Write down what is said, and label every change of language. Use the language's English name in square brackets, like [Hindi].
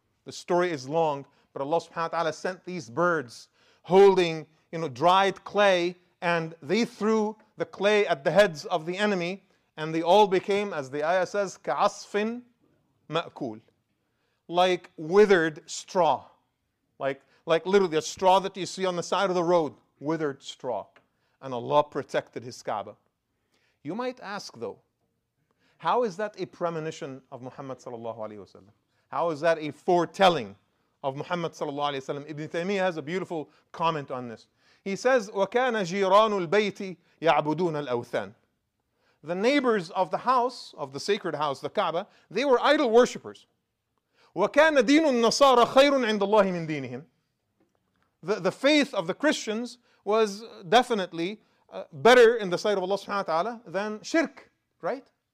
[English] The story is long, but Allah subhanahu wa ta'ala sent these birds holding, you know, dried clay, and they threw the clay at the heads of the enemy, and they all became, as the ayah says, ka'asfin ma'kul, like withered straw, like literally a straw that you see on the side of the road, withered straw. And Allah protected his Kaaba. You might ask though, how is that a premonition of Muhammad sallallahu alayhi wasallam? How is that a foretelling of Muhammad sallallahu alayhi wasallam? Ibn Taymiyyah has a beautiful comment on this. He says, [Arabic] وَكَانَ جِيرَانُ الْبَيْتِ يَعْبُدُونَ الْأَوْثَانِ. [English] The neighbors of the house, of the sacred house, the Kaaba, they were idol worshippers. [Arabic] وَكَانَ دِينُ النَّصَارَ خَيْرٌ عِنْدَ اللَّهِ مِنْ دِينِهِمْ. [English] The faith of the Christians was definitely better in the sight of Allah subhanahu wa ta'ala than shirk, right?